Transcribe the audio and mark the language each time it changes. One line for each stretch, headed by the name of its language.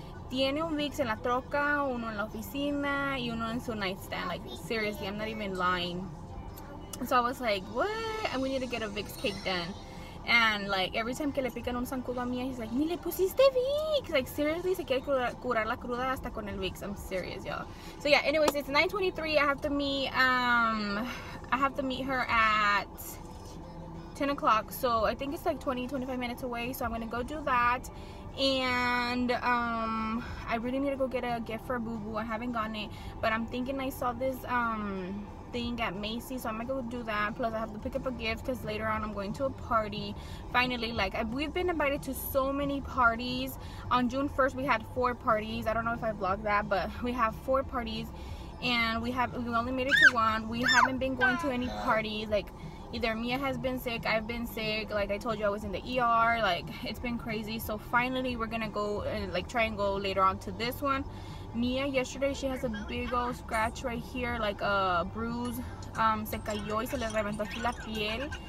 Spanish: Tiene un Vicks en la troca, uno en la oficina, y uno en su
English: nightstand. Like, seriously, I'm not even lying. So I was like, what? And we need to get a Vicks cake done. And like, every time
Spanish: que le pican un zancudo a mía,
English: he's like,
Spanish: ni le pusiste Vicks.
English: Like, seriously,
Spanish: se quiere curar la cruda hasta con el Vicks.
English: I'm serious, y'all. So yeah, anyways, it's 9:23. I have to meet her at 10 o'clock. So I think it's like 20, 25 minutes away. So I'm going to go do that. And I really need to go get a gift for Boo Boo. I haven't gotten it, but I'm thinking I saw this thing at Macy's, so I'm gonna go do that. Plus I have to pick up a gift because later on I'm going to a party. Finally, like, we've been invited to so many parties. On June 1st we had 4 parties. I don't know if I vlogged that, but we have 4 parties, and we only made it to one. We haven't been going to any parties. Like, either Mia has been sick, I've been sick, like I told you, I was in the ER. Like, it's been crazy. So finally we're gonna go and like try and go later on to this one. Mia, yesterday, she has a big old scratch right here, like a bruise.
Spanish: Se cayó y se le reventó aquí la piel.